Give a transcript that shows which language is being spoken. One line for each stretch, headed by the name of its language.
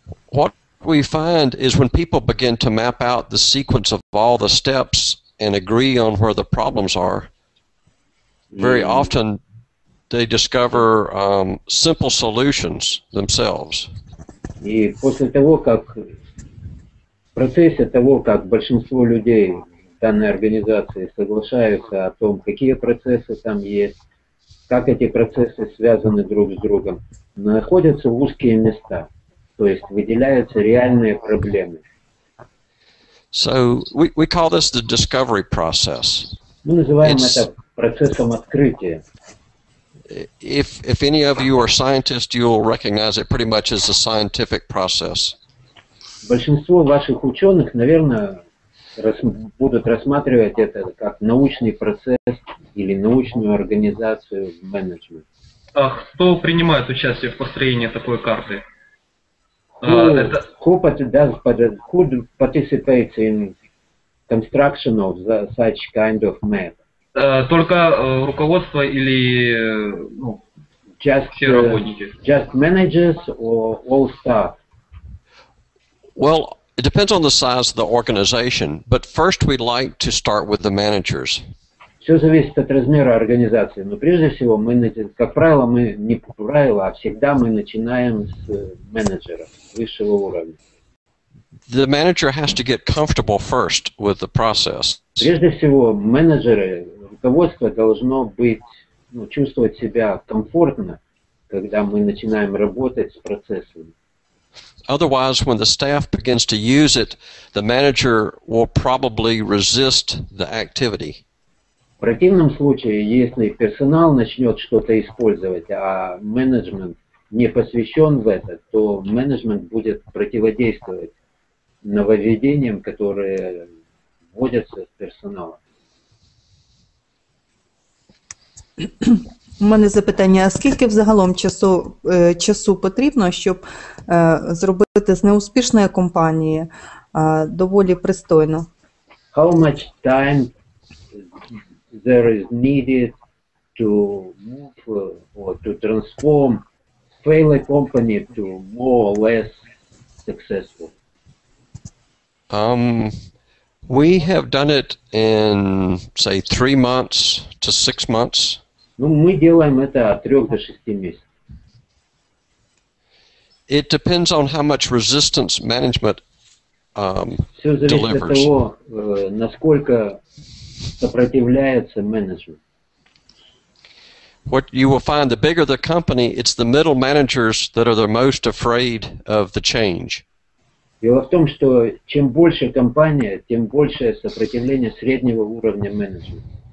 English: What we find is when people begin to map out the sequence of all the steps and agree on where the problems are, very often they discover simple solutions themselves.
Russian: И после того, как в процессе того, как большинство людей данной организации соглашаются о том, какие процессы там есть, как эти процессы связаны друг с другом, находятся узкие места, то есть выделяются реальные проблемы.
English: So we call this the discovery process.
Russian: Мы называем это процессом открытия.
English: If any of you are scientists, you'll recognize it pretty much as a scientific process.
Russian: Большинство ваших ученых, наверное, будут рассматривать это как научный процесс или научную организацию в менеджмент. Кто принимает участие в построении такой карты?
English: Who participates in construction of such kind of map?
Russian: Только руководство или все работники?
English: Just managers or all staff? Well, it depends on the size of the organization, but first we'd like to start with the managers.
Russian: Все зависит от размера организации, но прежде всего, мы, как правило, мы не по правилу, а всегда мы начинаем с менеджера высшего уровня.
English: The manager has to get comfortable first with the process.
Russian: Прежде всего, менеджеры, руководство должно быть, ну, чувствовать себя комфортно, когда мы начинаем работать с процессами.
English: Otherwise, when the staff begins to use it, the manager will probably resist the activity.
Russian: В противном случае, если персонал начнет что-то использовать, а менеджмент не посвящен в это, то менеджмент будет противодействовать нововведениям, которые вводятся с персоналом.
Ukrainian: У мене запитання, а скільки взагалом часу потрібно, щоб зробити з неуспішної компанії доволі пристойно?
English: How much time there is needed to move or to transform failing company to more or less successful? We have done it in, say, 3 months to 6 months.
Russian: Ну, мы делаем это от 3 до 6 месяцев.
English: It depends on how much resistance management delivers.
Russian: Все зависит
English: delivers.
Russian: От того, насколько сопротивляется менеджмент.
English: What you will find, the bigger the company, it's the middle managers that are the most afraid of the change.
Russian: Дело в том, что чем больше компания, тем большее сопротивление среднего уровня менеджмента.